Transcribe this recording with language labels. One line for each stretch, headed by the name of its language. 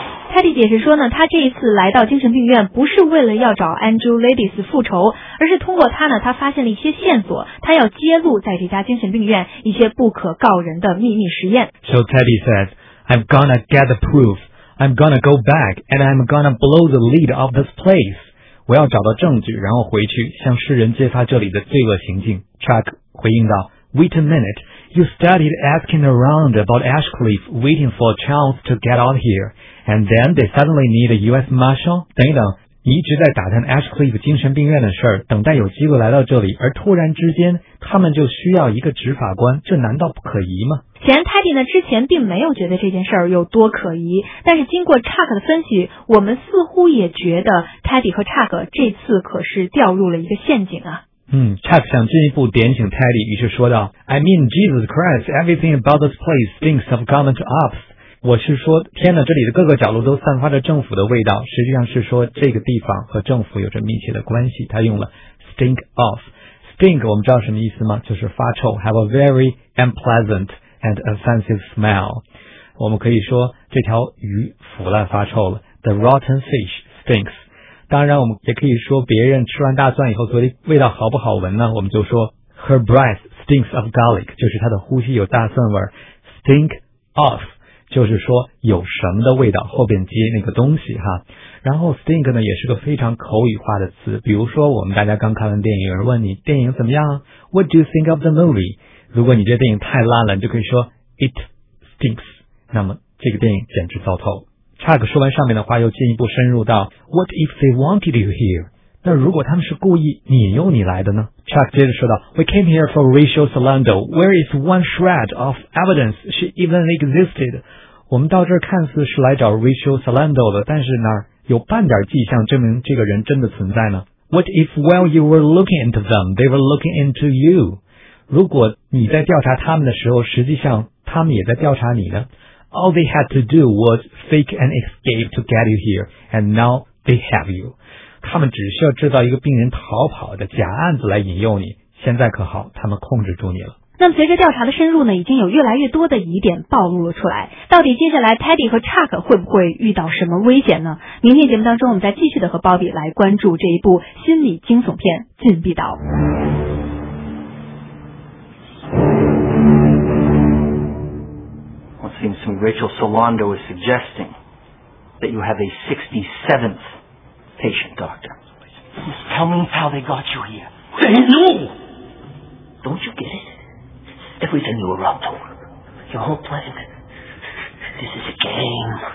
Chinese: Teddy 解释说呢，他这一次来到精神病院不是为了要找 Angel Ladies 复仇，而是通过他呢，他发现了一些线索，他要揭露在这家精神病院一些不可告人的秘密实验。
English: So Teddy says, I'm gonna get the proof. I'm gonna go back and I'm gonna blow the lid off this place.
Chinese: 我要找到证据，然后回去向世人揭发这里的罪恶行径。
English: Chuck 回应道，Wait a minute. You started asking around about Ashcliff, waiting for a chance to get out here. And then they suddenly need a U.S. Marshal?
Chinese: 等一等，你一直在打探 Ashcliff 精神病院的事儿，等待有机会来到这里，而突然之间，他们就需要一个执法官，这难道不可疑吗？显然 Teddy 呢之前并没有觉得这件事儿有多可疑，但是经过 Chuck 的分析，我们似乎也觉得 Teddy 和 Chuck 这次可是掉入了一个陷阱啊。
English: Chuck 想进一步点醒 Teddy， 于是说道 ：“I mean Jesus Christ, everything about this place stinks of government ops.”
Chinese: 我是说，天哪，这里的各个角落都散发着政府的味道。实际上是说这个地方和政府有着密切的关系。他用了 stink of， stink 我们知道什么意思吗？
English: 就是发臭， have a very unpleasant and offensive smell。
Chinese: 我们可以说这条鱼腐烂发臭了， the rotten fish stinks。当然，我们也可以说别人吃完大蒜以后嘴里味道好不好闻呢？我们就说 her breath stinks of garlic，就是她的呼吸有大蒜味， stink of。就是说有什么的味道，后边接那个东西哈。然后 stink 呢也是个非常口语化的词，比如说我们大家刚看完电影，有人问你电影怎么样， What do you think of the movie？如果你觉得电影太烂了，你就可以说 It stinks，那么这个电影简直糟透。查克说完上面的话，又进一步深入到 What if they wanted you here? 那如果他们是故意引诱你来的呢？
English: 查克接着说道 We came here for Rachel Solando. Where is one shred of evidence she even existed?
Chinese: 我们到这儿看似是来找 Rachel Solando 的，但是哪有半点迹象证明这个人真的存在呢？
English: What if while you were looking into them, they were looking into you?
Chinese: 如果你在调查他们的时候，实际上他们也在调查你呢？
English: All they had to do was fake an escape to get you here, and now they have you.
Chinese: 他们只需要制造一个病人逃跑的假案子来引诱你，现在可好，他们控制住你了。那么随着调查的深入呢，已经有越来越多的疑点暴露了出来。到底接下来 Teddy 和 Chuck 会不会遇到什么危险呢？明天节目当中，我们再继续的和 Bobby 来关注这一部心理惊悚片《禁闭岛》。
English: Seems to me Rachel Solando is suggesting that you have a 67th patient, doctor. Please tell me how they got you here. They knew! Don't you get it? Everything you were up to, your whole plan, this is a game.